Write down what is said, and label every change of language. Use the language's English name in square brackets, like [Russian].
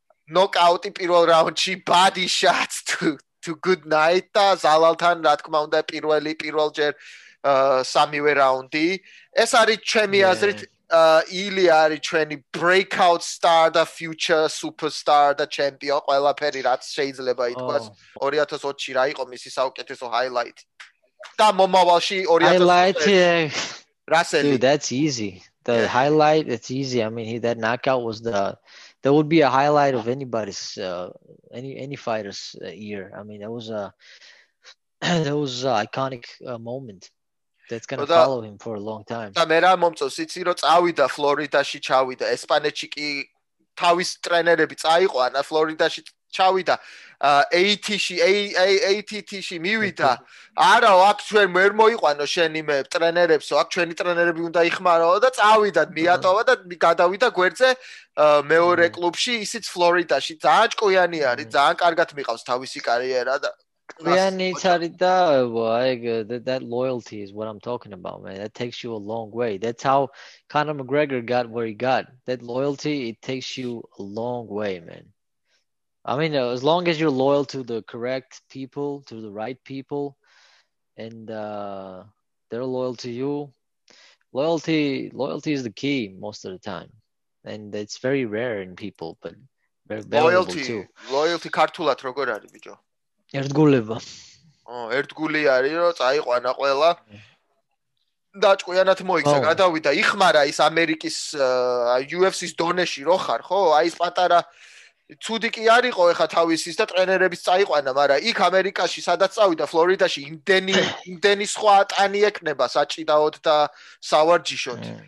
[Georgian] knockout in პირველ რაუნდში [English] body shots to good night [Georgian] და ზალალთან რა თქმა უნდა პირველ ჯერ სამივე რაუნდი ეს არის ჩემი აზრით ილია არის ჩვენი [English] breakout star the future superstar the champion [Georgian] ყველაფერი რაც შეიძლება ითქვას 2020 რა იყო მისი საუკეთესო highlight და მომავალში [English] 2020 highlight that's easy the highlight it's easy I mean that knockout was the that would be a highlight of anybody's any fighter's year I mean that was a iconic moment that's going to follow him for a long time [Georgian] და მე რა მომწონს იცი რომ წავიდა ფლორიდაში ჩავიდა ესპანეთში კი თავის ტრენერები წაიყვანა ფლორიდაში ჩავიდა ATT-ში ATT-ში მივიდა არა აქ ჩვენ ვერ მოიყვანო შენი მე ტრენერებსო აქ ჩვენი ტრენერები უნდა იხმარო და წავიდა მიატოვა და გადავიდა გვერდზე მეორე კლუბში ისიც ფლორიდაში ძალიან ჭკვიანი არის ძალიან კარგად მიყავს თავისი კარიერა და ჭკვიანიც არის და [English] that loyalty is what I'm talking about man that takes you a long way that's how Conor McGregor got where he got that loyalty it takes you a long way man I mean, as long as you're loyal to the correct people, to the right people, and they're loyal to you, loyalty is the key most of the time. And it's very rare in people, but very valuable loyalty, too. Loyalty, [Georgian] kartulat, როგორ არის, ბიჭო? ერთგულება. ერთგული არის, რომ წაიყვანა ყველა. Და ჭკვიანად მოიქცა, გადავიდა, იხმარა ის ამერიკის UFC-ის დონეში რო ხარ, ხო? აი ეს პატარა ცუდი კი არისო ხა თავისის და ტრენერების წაიყვანა, მაგრამ იქ ამერიკაში სადაც წავიდა ფლორიდაში იმდენი სხვა ატანი ექნება საჭიდაოდ და სავარჯიშოდ.